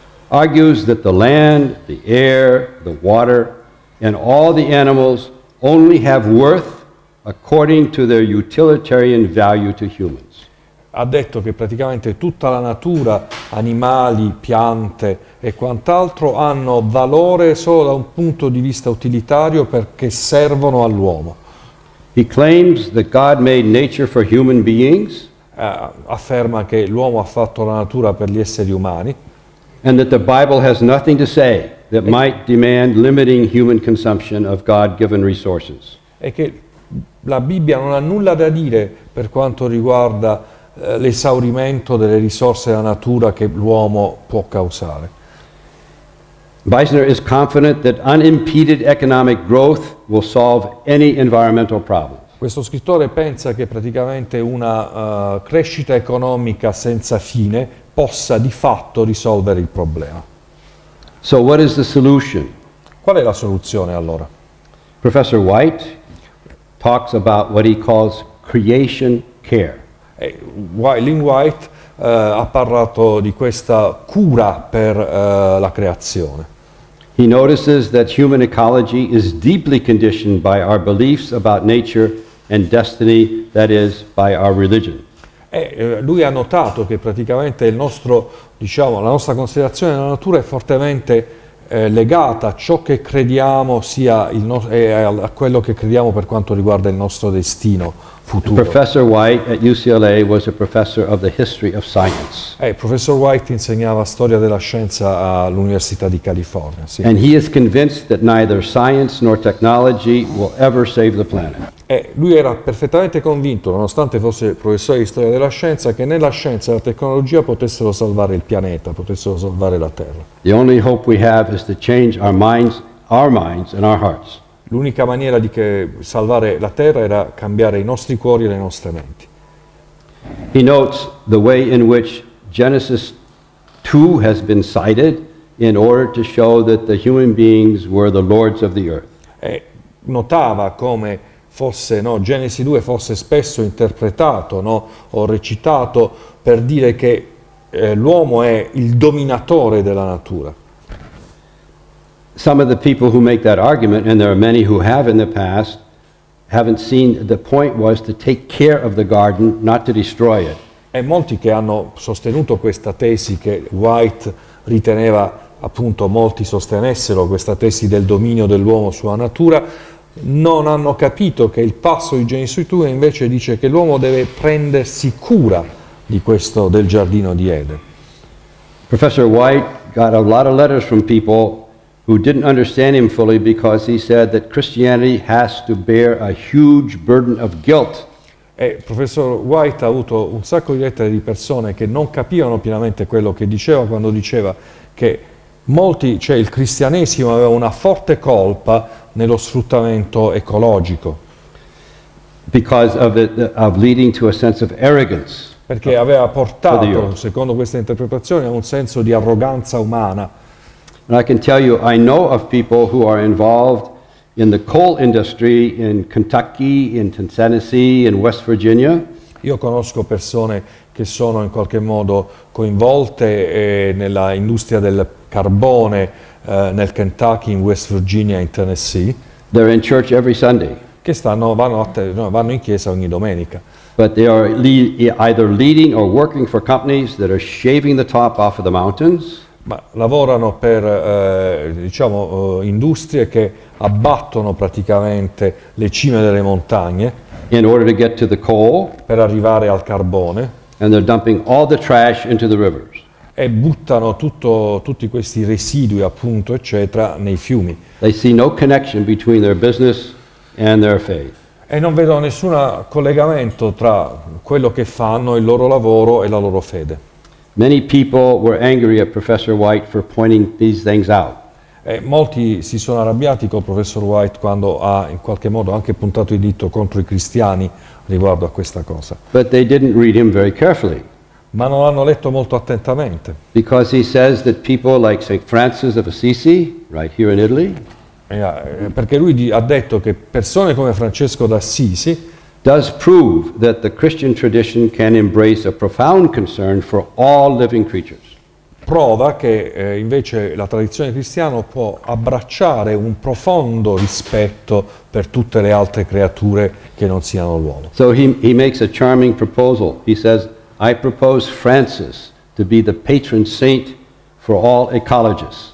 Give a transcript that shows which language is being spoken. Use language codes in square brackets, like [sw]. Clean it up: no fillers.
[en] Argues that the land, the air, the water, and all the animals only have worth according to their utilitarian value to humans. [it] ha detto che praticamente tutta la natura, animali, piante e quant'altro, hanno valore solo da un punto di vista utilitario perché servono all'uomo. [en] He claims that God made nature for human beings. [it] Afferma che l'uomo ha fatto la natura per gli esseri umani. [en] And that the Bible has nothing to say that might demand limiting human consumption of God-given resources. [it] E che la Bibbia non ha nulla da dire per quanto riguarda l'esaurimento delle risorse della natura che l'uomo può causare. [en] Weisner is confident that unimpeded economic growth will solve any environmental problem. [it] Questo scrittore pensa che praticamente una crescita economica senza fine possa di fatto risolvere il problema. [en] So what is the solution? [it] Qual è la soluzione allora? [en] Professor White talks about what he calls creation care. [it] Lynn White ha parlato di questa cura per la creazione. [en] He notices that human ecology is deeply conditioned by our beliefs about nature and destiny, that is, by our religion. [it] Lui ha notato che praticamente il nostro, diciamo, la nostra considerazione della natura è fortemente legata a ciò che crediamo sia il a quello che crediamo per quanto riguarda il nostro destino futuro. [en] Professor White at UCLA was a professor of the history of science. [it] Professor White insegnava storia della scienza all'Università di California, sì. [en] And he is convinced that neither science nor technology will ever save the planet. [it] Lui era perfettamente convinto, nonostante fosse professore di storia della scienza, che né la scienza né la tecnologia potessero salvare il pianeta, potessero salvare la Terra. [en] The only hope we have is to change our minds and our hearts. [it] L'unica maniera di salvare la Terra era cambiare i nostri cuori e le nostre menti. [en] He notes the way in which Genesis 2 has been cited in order to show that the human beings were the lords of the earth. [it] E notava come fosse, no, Genesi 2 fosse spesso interpretato, no, o recitato per dire che l'uomo è il dominatore della natura. [en] Some of the people who make that argument, and there are many who have in the past, haven't seen the point was to take care of the garden, not to destroy it. [it] E molti che hanno sostenuto questa tesi, che White riteneva, appunto, molti sostenessero questa tesi del dominio dell'uomo sulla natura, non hanno capito che il passo di Genesi 2 invece dice che l'uomo deve prendersi cura di questo, del giardino di Eden. [en] Professor White got a lot of letters from people who didn't understand him fully because he said that Christianity has to bear a huge burden of guilt. [it] E professor White ha avuto un sacco di lettere di persone che non capivano pienamente quello che diceva quando diceva che molti, cioè il cristianesimo aveva una forte colpa nello sfruttamento ecologico. [en] Because of it, of leading to a sense of arrogance. [it] Perché aveva portato, secondo questa interpretazione, a un senso di arroganza umana. [en] And I can tell you, I know of people who are involved in the coal industry in Kentucky, in Tennessee, in West Virginia. [it] Io conosco persone che sono in qualche modo coinvolte nella industria del carbone nel Kentucky, in West Virginia, in Tennessee. [en] They're in church every Sunday. [it] Che stanno, vanno in chiesa ogni domenica. [en] But they are either leading or working for companies that are shaving the top off of the mountains. [it] Ma lavorano per industrie che abbattono praticamente le cime delle montagne [en] in order to get to the coal, [it] per arrivare al carbone, [en] and they're dumping all the trash into the rivers. [it] E buttano tutti questi residui, appunto, eccetera, nei fiumi. [en] They see no connection between their business and their faith. [it] E non vedono nessun collegamento tra quello che fanno, il loro lavoro e la loro fede. [en] Many people were angry at Professor White for pointing these things out. [it] E molti si sono arrabbiati con Professor White quando ha in qualche modo anche puntato il dito contro i cristiani riguardo a questa cosa. [en] But they didn't read him very carefully. [it] Ma non l'hanno letto molto attentamente. [en] Because he says that people like St. Francis of Assisi, right here in Italy. [it] Perché lui ha detto che persone come Francesco d'Assisi [en] does prove that the Christian tradition can embrace a profound concern for all living creatures. [it] Prova che invece la tradizione cristiana può abbracciare un profondo rispetto per tutte le altre creature che non siano l'uomo. [en] So he makes a charming proposal. He says, I propose Francis to be the patron saint for all ecologists.